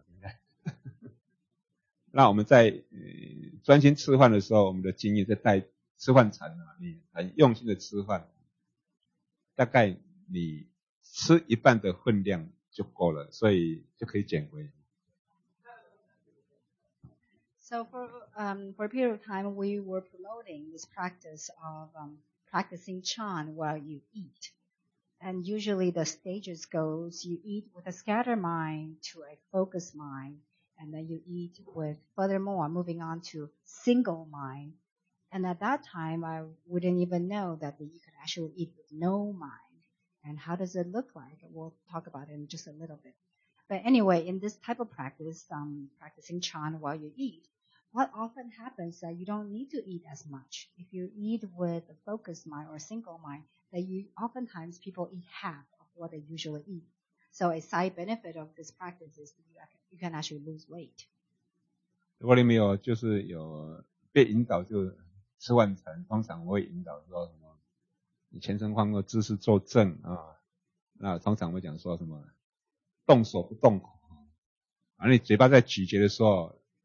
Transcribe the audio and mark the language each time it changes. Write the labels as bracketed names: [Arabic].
[Chinese] 等一下，那我们在专心吃饭的时候，我们的经验在带吃饭禅啊，你很用心的吃饭，大概你吃一半的分量就够了，所以就可以减肥。 [English] So for a period of time, we were promoting this practice of practicing Chan while you eat. And usually the stages goes, you eat with a scattered mind to a focused mind, and then you eat with furthermore moving on to single mind. And at that time, I wouldn't even know that you could actually eat with no mind. And how does it look like? We'll talk about it in just a little bit. But anyway, in this type of practice, practicing Chan while you eat,What often happens is that you don't need to eat as much. If you eat with a focused mind or a single mind, that you oftentimes people eat half of what they usually eat. So a side benefit of this practice is you can actually lose weight. [Chinese] 如果你没有就是有被引导就吃饭禅，通常我会引导说什么，你全身放个姿势坐正啊，那通常会讲说什么，动手不动口，啊，你嘴巴在咀嚼的时候。